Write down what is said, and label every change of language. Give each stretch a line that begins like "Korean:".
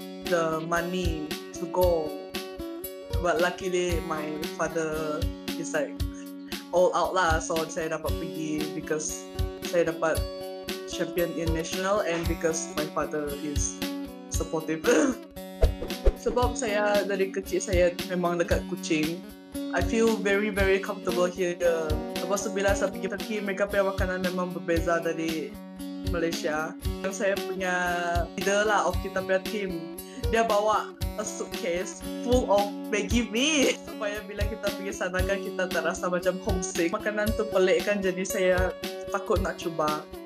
English: the money to go. But luckily, my father is like all out lah,
Malay: so saya dapat pergi
English: because
Malay: saya dapat
English: champion in national and because my father is supportive.
Malay: Sebab saya dari kecil saya memang dekat Kuching.
English: I feel very very comfortable here.
Malay: Lepas tu bila saya pergi-pergi, mereka punya makanan memang berbeza dari Malaysia. Dan saya punya leader lah of kita punya team, dia bawa
English: a suitcase full of
Malay: Maggi Mee. Supaya bila kita pergi sana kan kita tak rasa macam homesick. Makanan tu pelik kan, jadi saya takut nak cuba.